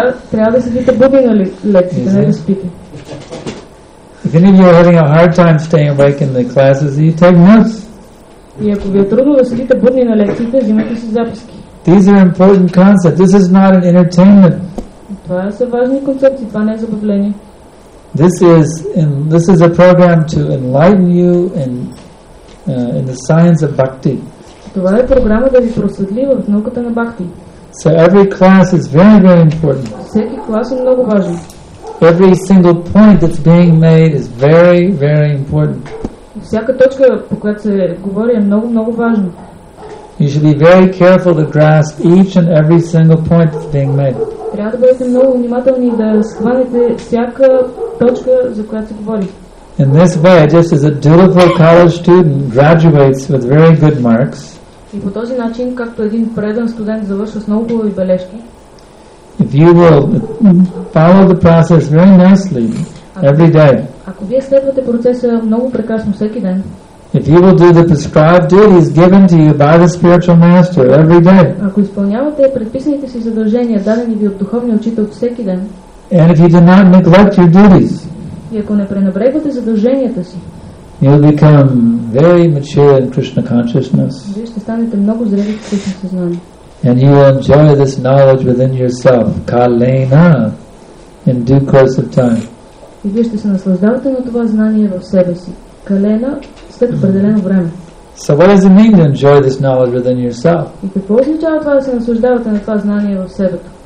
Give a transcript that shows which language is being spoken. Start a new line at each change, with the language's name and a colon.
Bulgarian: Трябва да седите буди на лекциите, не да спите.
English: If any of you are having a hard time staying awake in the classes, you take notes.
Bulgarian: И ако ви е трудно да седите будни на лекциите, взимате си записки.
English: These are important concepts. This is not an entertainment.
Bulgarian: Това са важни концепции, това не е забавление.
English: This is a program to enlighten you in the science of bhakti.
Bulgarian: Това е програма да ви просветли в науката на бхакти.
English: So every class is very, very important.
Bulgarian: Всеки клас е много важен.
English: Every single point that's being made is very, very important.
Bulgarian: Всяка точка, по която се говори, е много, много важна.
English: You should be very careful to grasp each and every single point that's being made.
Bulgarian: Трябва да бъдете много внимателни да схванете всяка точка, за която се говори.
English: In this way, just as a dutiful college student graduates with very good marks,
Bulgarian: и по този начин, както един предан студент завършва с много хубави бележки,
English: if you will follow the process very nicely every day,
Bulgarian: ако вие следвате процеса много прекрасно всеки ден,
English: if you will do the prescribed duties given to you by the spiritual master every day,
Bulgarian: ако изпълнявате предписаните си задължения, дадени ви от духовния учител всеки ден,
English: and if you do not neglect your duties,
Bulgarian: и ако не пренебрегвате задълженията си,
English: you will become very mature in Krishna consciousness,
Bulgarian: вие ще станете много зрели в Кришна съзнание,
English: and you will enjoy this knowledge within yourself, kalena, in due course of time.
Bulgarian: И вие ще се наслаждавате на това знание в себе си, калена, след определено време.
English: So what does it mean to enjoy this knowledge within yourself?
Bulgarian: И какво означава това да се наслаждавате на това знание в себе си?